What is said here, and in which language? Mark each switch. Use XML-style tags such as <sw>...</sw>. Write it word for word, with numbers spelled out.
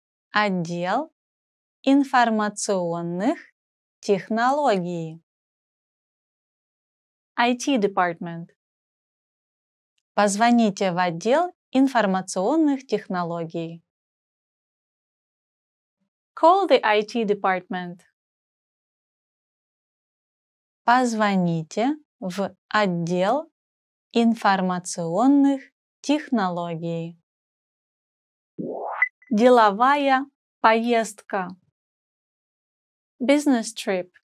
<ru>Отдел информационных технологий.</ru> <en>ай ти Department.</en> <ru>Позвоните в отдел информационных технологий.</ru> <en>Call the ай ти Department.</en> <ru>Позвоните в отдел информационных технологий. Деловая поездка.</ru> <en>Business trip.</en>